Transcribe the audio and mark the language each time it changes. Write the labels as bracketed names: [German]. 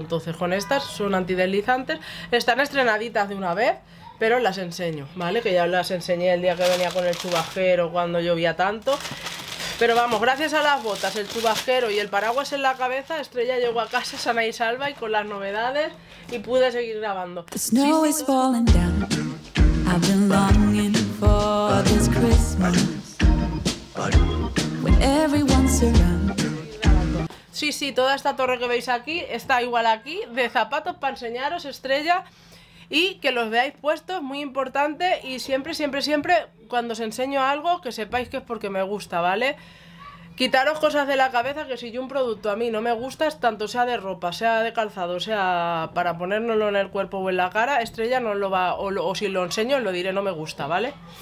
[Spanish] Entonces con estas, son antideslizantes, están estrenaditas de una vez, pero las enseño, ¿vale? Que ya las enseñé el día que venía con el chubasquero cuando llovía tanto. Pero vamos, gracias a las botas, el chubasquero y el paraguas en la cabeza, Estrella llegó a casa sana y salva y con las novedades y pude seguir grabando. [English] The snow is falling down. I've been longing for this Christmas. When everyone's around. [Spanish] Sí, toda esta torre que veis aquí está igual aquí, de zapatos para enseñaros, Estrella. Y que los veáis puestos, muy importante, y siempre, siempre, siempre, cuando os enseño algo, que sepáis que es porque me gusta, ¿vale? Quitaros cosas de la cabeza, que si yo un producto a mí no me gusta, es tanto sea de ropa, sea de calzado, sea para ponérnoslo en el cuerpo o en la cara, Estrella no lo va, o si lo enseño, lo diré, no me gusta, ¿vale?